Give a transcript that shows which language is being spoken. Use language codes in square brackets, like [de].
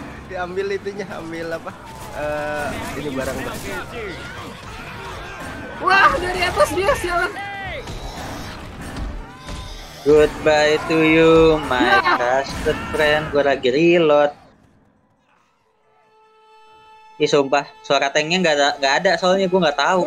[id] Diambil itunya, ambil apa? Ini barang. Wah, dari atas dia sialan. [en] Goodbye to you, my trusted friend. [id] Gua lagi reload. Ih sumpah, suara tanknya gak ada soalnya gue gak tahu.